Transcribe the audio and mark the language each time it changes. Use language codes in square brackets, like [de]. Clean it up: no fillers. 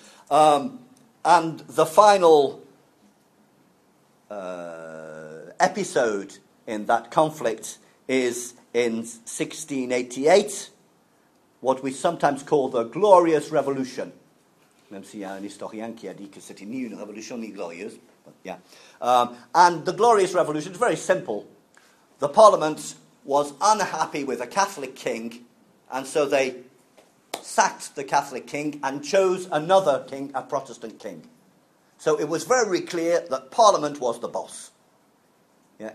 [en] And the final episode in that conflict is in 1688, what we sometimes call the Glorious Revolution. [fr] Même s'il y a un historien qui a dit que c'était ni une révolution ni glorieuse. [en] Yeah. And the Glorious Revolution is very simple. The Parliament was unhappy with a Catholic king, and so they sacked the Catholic king and chose another king, a Protestant king. So it was very clear that Parliament was the boss. Yeah.